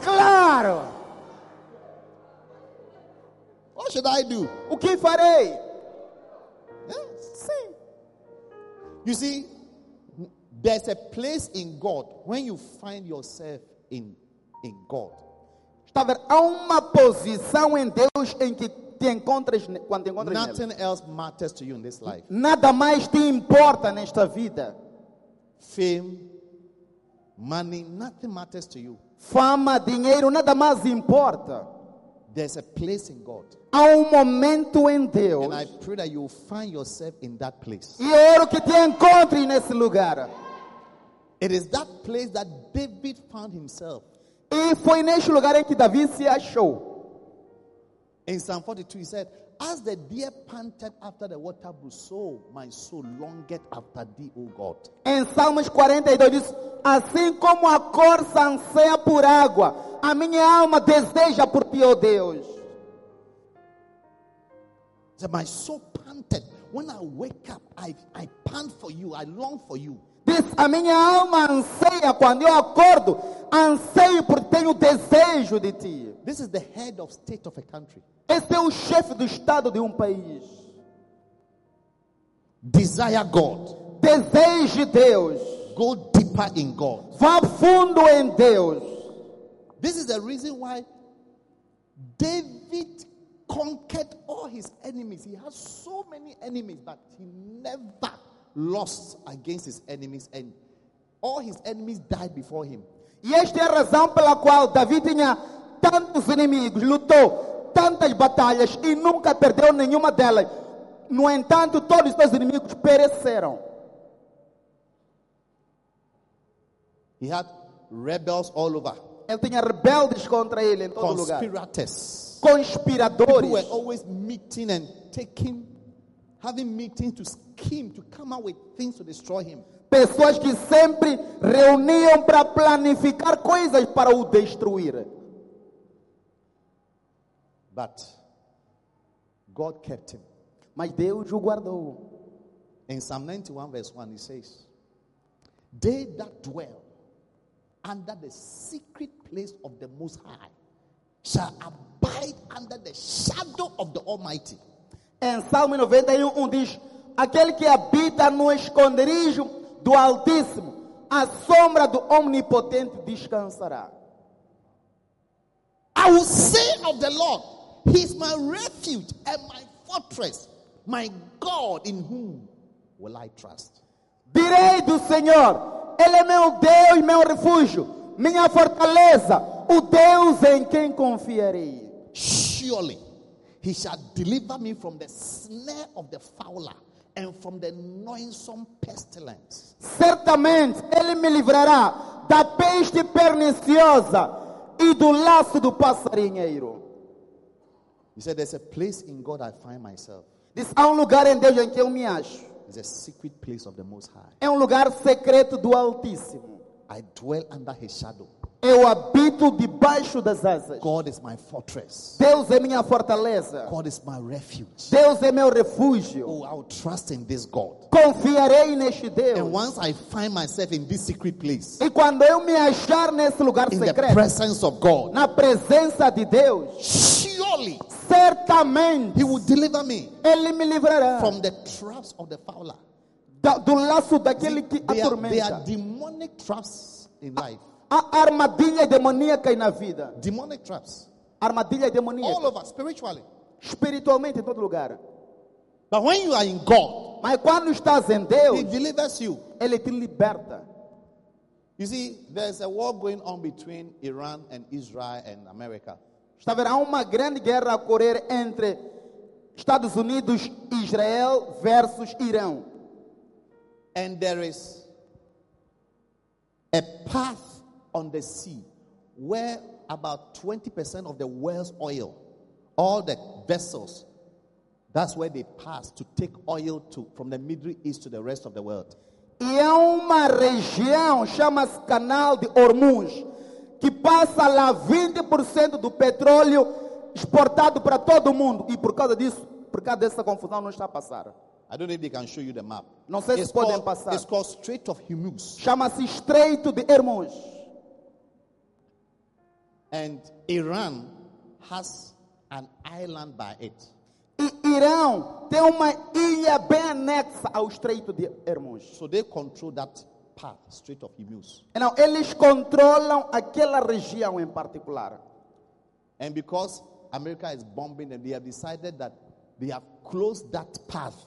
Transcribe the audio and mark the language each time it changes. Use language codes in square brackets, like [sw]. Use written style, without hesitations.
[pt] Claro. [en] What should I do? [pt] O que farei? [en] Yeah. [pt] Sim. [en] You see, there's a place in God when you find yourself in God. [pt] Está a ver, há uma posição em Deus em que te encontras quando te encontras. [en] Nothing else matters to you in this life. [pt] Nada mais te importa nesta vida. [en] Fame, money, nothing matters to you. [pt] Fama, dinheiro, nada mais importa. [en] There's a place in God. [pt] Há momento em Deus. [en] And I pray that you will find yourself in that place. [pt] E eu oro que te encontre nesse lugar. [en] It is that place that David found himself. [pt] E foi neste lugar em que Davi se achou. [en] In Psalm 42 he said, as the deer panted after the water brook, so my soul longeth after thee, O God. [pt] Em Salmos 42 diz, assim como a corça anseia por água, a minha alma deseja por ti, ó Deus. [en] So my soul panted. When I wake up, I pant for you, I long for you. [pt] Diz: a minha alma anseia quando eu acordo, anseio porque tenho desejo de ti. [en] This is the head of state of a country. [pt] Este é o chefe do estado de país. [en] Desire God. [pt] Deseje Deus. [en] Go deeper in God. [pt] Vá fundo em Deus. [en] This is the reason why David conquered all his enemies. He has so many enemies, but he never lost against his enemies, and all his enemies died before him. [pt] E esta é a razão pela qual Davi tinha tantos inimigos, lutou tantas batalhas e nunca perdeu nenhuma delas. No entanto, todos os seus inimigos pereceram. [en] He had rebels all over. [pt] Ele tinha rebeldes contra ele em todo lugar. [en] Conspirators. [pt] Conspiradores. [en] Who were always meeting and taking, having meetings to scheme, to come up with things to destroy him. [pt] Pessoas que sempre reuniam para planificar coisas para o destruir. [en] But God kept him. [pt] Mas Deus o guardou. [en] In Psalm 91 verse 1, he says, they that dwell under the secret place of the Most High shall abide under the shadow of the Almighty. [pt] Em Salmo 91 diz: aquele que habita no esconderijo do Altíssimo, à sombra do Omnipotente descansará. [en] I will say of the Lord, He is my refuge and my fortress, my God in whom will I trust. [pt] Direi do Senhor, Ele é meu Deus, meu refúgio, minha fortaleza, o Deus em quem confiarei. [en] Surely, He shall deliver me from the snare of the fowler and from the noisome pestilence. [pt] Certamente, Ele me livrará da peste perniciosa e do laço do passarinheiro. [en] He said, there's a place in God I find myself. [pt] Diz, há lugar em Deus em que eu me acho. [en] It's a secret place of the Most High. [pt] É lugar secreto do Altíssimo. [en] I dwell under His shadow. [pt] Eu habito debaixo das asas. [en] God is my fortress. [pt] Deus é minha fortaleza. [en] God is my refuge. [pt] Deus é meu refúgio. [en] Oh, I'll trust in this God. [pt] Confiarei neste Deus. [en] And once I find myself in this secret place, [pt] e quando eu me achar nesse lugar [en] in [pt] secreto, [en] the presence of God, [pt] na presença de Deus, [en] surely, [pt] certamente, [en] He will deliver me. [pt] Ele me livrará [en] from the traps of the fowler. [pt] Do laço daquele que atormenta. [en] There are demonic traps in life. [pt] Há armadilhas demoníacas na vida. [en] Demonic traps. [pt] Armadilhas demoníacas. [en] All over, spiritually. [pt] Espiritualmente em todo lugar. [en] But when you are in God, [pt] mas quando estás em Deus, [en] He delivers you. [pt] Ele te liberta. [en] You see, there's a war going on between Iran and Israel and America. [pt] Haverá uma grande guerra a correr entre Estados Unidos, Israel versus Irã. [en] And there is a path on the sea where about 20% of the world's oil, all the vessels, that's where they pass to take oil to from the Middle East to the rest of the world. [pt] E é uma região chama-se Canal de Hormuz, que passa lá 20% do petróleo exportado para todo o mundo. E por causa disso, por causa dessa confusão, não está a passar. [en] I don't know if they can show you the map. [pt] Não sei se podem passar. [en] It's called Strait of Hormuz. [pt] Chama-se Estreito de Hormuz. [en] And Iran has an island by it. [pt] E Irã tem uma ilha bem anexa ao Estreito de Hormuz. [en] So they control that path, Strait of Hormuz. [pt] E não, eles controlam aquela região em particular. [en] And because America is bombing them, they have decided that they have closed that path.